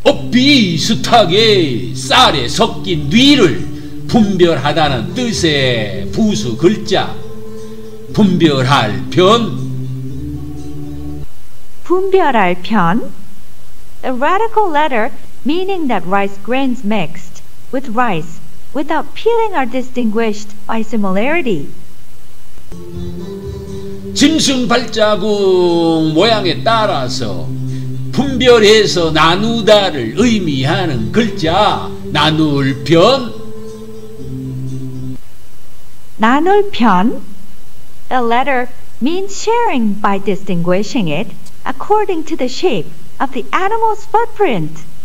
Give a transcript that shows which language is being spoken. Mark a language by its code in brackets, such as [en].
[ko] 비슷하게 쌀에 섞인 뒤를 분별하다는 뜻의 부수 글자 분별할 변. 분별할 변? [en] A radical letter meaning that rice grains mixed with rice without peeling are distinguished by similarity. [ko] 짐승 발자국 모양에 따라서 분별해서 나누다를 의미하는 글자 나눌 변. 나눌 변? [en] A letter means sharing by distinguishing it according to the shape of the animal's footprint.